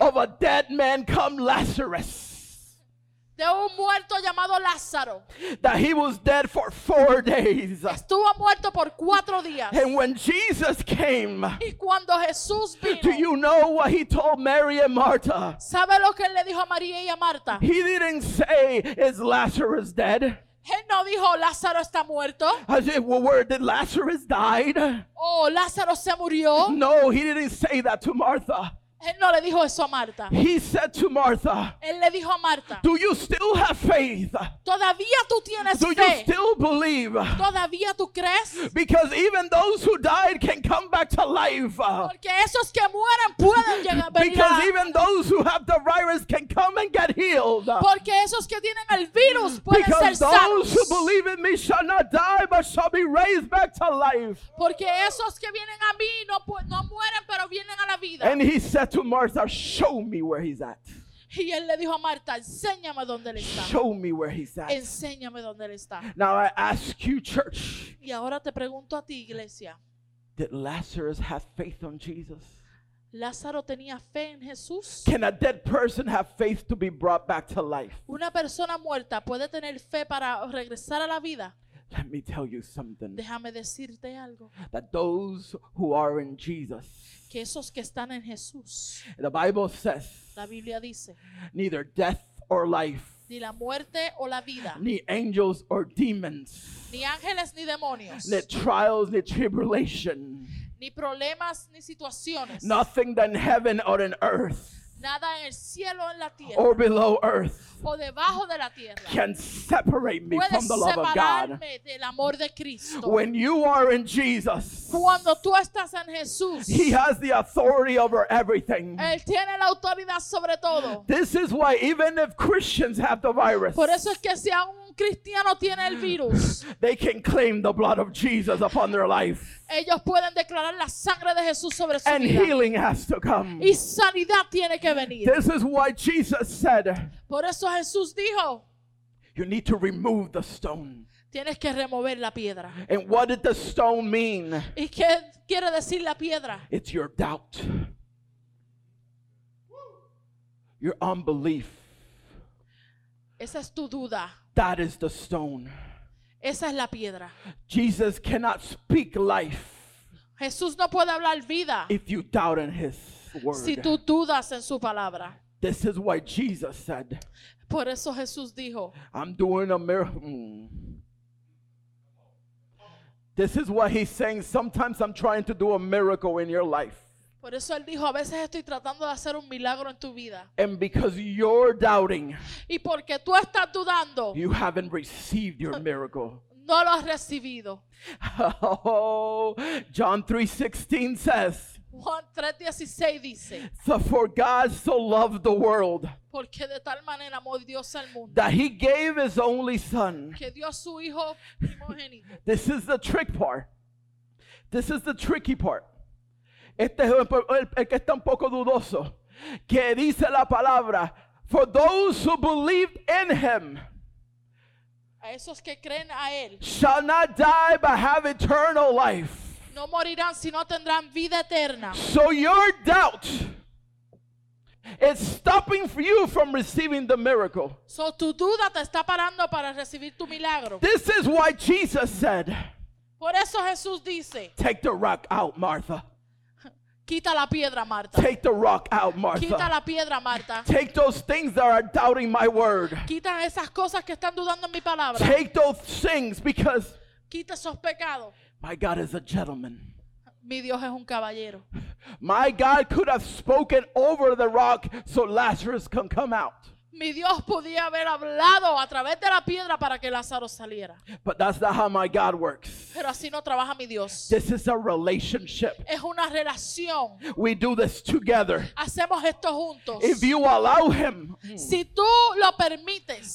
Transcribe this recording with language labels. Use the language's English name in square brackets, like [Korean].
[English] Of a dead man come Lazarus. [Spanish] De un muerto llamado Lázaro. [English] That he was dead for 4 days. [Spanish] Estuvo muerto por 4 días. [English] And when Jesus came. [Spanish] Y cuando Jesús vino. [English] Do you know what he told Mary and Martha? [Spanish] ¿Sabe lo que él le dijo a María y a Marta? [English] He didn't say, is Lazarus dead? [Spanish] Él no dijo, Lázaro está muerto. [English] I said, well, where did Lazarus died? [Spanish] Oh, Lázaro se murió. [English] No, he didn't say that to Martha. [Spanish] Él no le dijo eso a Marta. [English] He said to Martha. [Spanish] Él le dijo a Marta. [English] Do you still have faith? [Spanish] Todavía tú tienes [English] Do [Spanish] fe. [English] Do you still believe? [Spanish] Todavía tú crees. [English] Because even those who died can come back to life. [Spanish] Porque esos que mueren pueden llegar a venir. [English] Because even those who have the virus can come and get healed. [Spanish] Porque esos que tienen el virus pueden [English] because [Spanish] ser sanos. [English] Because those who believe in me shall not die, but shall be raised back to life. [Spanish] Porque esos que vienen a mí no mueren, pero vienen a la vida. [English] And he said. To Martha, show me where he's at. [Spanish] Y él le dijo a Marta, enséñame dónde él está. [English] Show me where he's at. [Spanish] Enséñame dónde él está. [English] Now I ask you, church. [Spanish] Y ahora te pregunto a ti, iglesia. [English] Did Lazarus have faith on Jesus? [Spanish] Lázaro tenía fe en Jesús. [English] Can a dead person have faith to be brought back to life? [Spanish] Una persona muerta puede tener fe para regresar a la vida. [English] Let me tell you something. [Spanish] Déjame decirte algo. [English] That those who are in Jesus. [Spanish] Que esos que están en Jesús. [English] The Bible says. [Spanish] La Biblia dice. [English] Neither death or life. [Spanish] Ni la muerte o la vida. [English] Ni angels or demons. [Spanish] Ni ángeles ni demonios. [English] Ni trials ni tribulation. [Spanish] Ni problemas ni situaciones. [English] Nothing than heaven or in earth. [Spanish] Nada en el cielo o en la tierra. [English] Or below earth. [Spanish] O debajo de la tierra. [English] Can separate me from the love of God. [Spanish] Del amor de Cristo. [English] When you are in Jesus. [Spanish] Cuando tú estás en Jesús. [English] He has the authority over everything. [Spanish] Él tiene la autoridad sobre todo. [English] This is why even if Christians have the virus. [Spanish] Por eso es que si un cristiano tiene el virus. [English] They can claim the blood of Jesus upon their life. [Spanish] Ellos pueden declarar la sangre de Jesús sobre su [English] vida. And healing has to come. [Spanish] Y sanidad tiene que venir. [English] This is why Jesus said. [Spanish] Por eso Jesús dijo. [English] You need to remove the stone. [Spanish] Tienes que remover la piedra. [English] And what did the stone mean? [Spanish] ¿Y qué quiere decir la piedra? [English] It's your doubt. Your unbelief. [Spanish] Esa es tu duda. [English] That is the stone. [Spanish] Esa es la piedra. [English] Jesus cannot speak life. [Spanish] Jesús no puede hablar vida. [English] If you doubt in his word. [Spanish] Si tú dudas en su palabra. [English] This is why Jesus said. [Spanish] Por eso Jesús dijo. [English] I'm doing a miracle. This is why he's saying sometimes I'm trying to do a miracle in your life. [Spanish] Por eso él dijo, a veces estoy tratando de hacer un milagro en tu vida. [English] And because you're doubting. [Spanish] Y porque tú estás dudando. [English] You haven't received your miracle. [Spanish] No lo has recibido. [English] Oh, John 3:16 says. [Spanish] Juan 3:16 dice. [English] So for God so loved the world. [Spanish] Porque de tal manera amó Dios al mundo. [English] That he gave his only son. [Spanish] Que dio su hijo primogénito. [English] This is the trick part. This is the tricky part. [Spanish] Este es el que está un poco dudoso. Que dice la palabra. [English] For those who believed in him. [Spanish] A esos que creen a él. [English] Shall not die but have eternal life. [Spanish] No morirán, sino tendrán vida eterna. [English] So your doubt is stopping for you from receiving the miracle. [Spanish] So tu duda te está parando para recibir tu milagro. [English] This is why Jesus said. [Spanish] Por eso Jesús dice. [English] Take the rock out, Martha. [Spanish] Quita la piedra, Marta. [English] Take the rock out, Martha. [Spanish] Quita la piedra, Marta. [English] Take those things that are doubting my word. [Spanish] Quita esas cosas que están dudando en mi palabra. [English] Take those things because [Spanish] quita esos pecados. [English] My God is a gentleman. [Spanish] Mi Dios es un caballero. [English] My God could have spoken over the rock so Lazarus can come out. [Spanish] Mi Dios podía haber hablado a través de la piedra para que Lázaro saliera. [English] But that's not how my God works. [Spanish] Pero así no trabaja mi Dios. [English] This is a relationship. [Spanish] Es una relación. [English] We do this together. [Spanish] Hacemos esto juntos. [English] If you allow him, [Spanish] si tú lo permites,